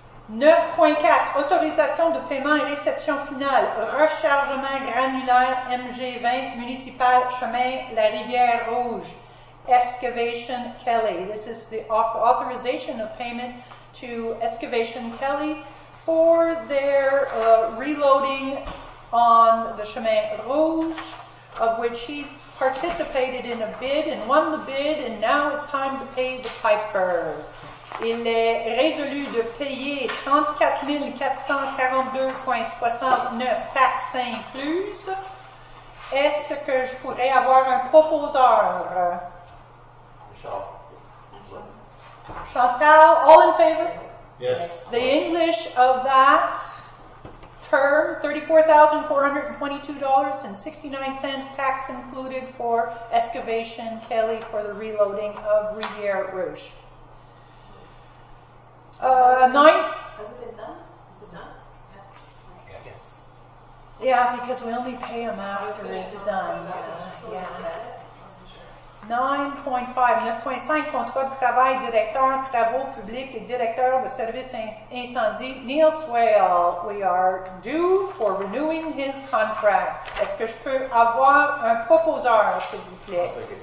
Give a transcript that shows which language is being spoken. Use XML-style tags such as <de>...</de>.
<fr>9.4, autorisation de paiement et réception finale, rechargement granulaire MG20, municipal chemin, la rivière rouge, Excavation Kelly.</fr> <en>This is the authorization of payment to Excavation Kelly for their reloading on the chemin rouge, of which he participated in a bid and won the bid, and now it's time to pay the piper.</en> <fr>Il est résolu de payer 34,442.69 taxes incluses. Est-ce que je pourrais avoir un proposeur?</fr> <en>Chantal, all in favor? Yes. The English of that term, $34,422.69 tax included for Excavation Kelly for the reloading of Rivière Rouge. Has it been done? Is it done? Yeah. Yes. Yeah, because we only pay them after it's done. Yeah.</en> <fr>9.5, contrat de travail, directeur de travaux publics et directeur de service incendie, Neil Swale.</fr> <en>We are due for renewing his contract.</en> <fr>Est-ce que je peux avoir un proposeur, s'il vous plaît?</fr>